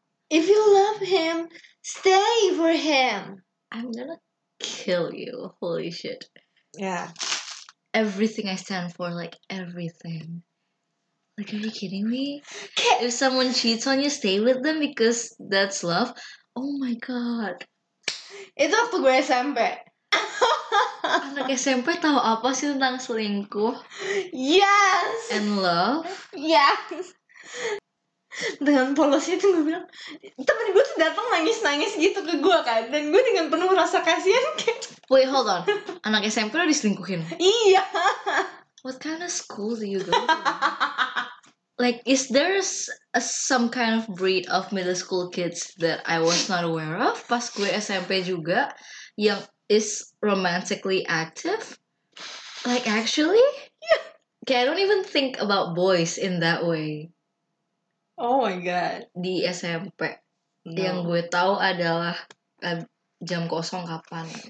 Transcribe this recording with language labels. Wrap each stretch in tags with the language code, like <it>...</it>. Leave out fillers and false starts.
<en>If you love him, stay for him. I'm gonna kill you. Holy shit. Yeah. Everything I stand for, like everything. Like, are you kidding me? Okay. If someone cheats on you, stay with them because that's love. Oh my god.</en> <id>Itu waktu gue SMP. Anak SMP tahu apa sih tentang selingkuh?</id> <en>Yes. And love? Yes.</en> <id>Dengan polosnya itu gue bilang, temen gue tuh datang nangis-nangis gitu ke gue kan, dan gue dengan penuh rasa kasihan kayak.</id> <en>Wait, hold on.</en> <id>Anak SMP udah diselingkuhin? Iya.</id> <en>What kind of school do you go to? Like, is there some kind of breed of middle school kids that I was not aware of</en> <id>pas gue SMP juga yang</id> <en>is romantically active? Like, actually? Yeah. Okay, I don't even think about boys in that way. Oh my god.</en> <id>Di SMP.</id> <en>No.</en> <id>Yang gue tahu adalah jam kosong kapan.</id>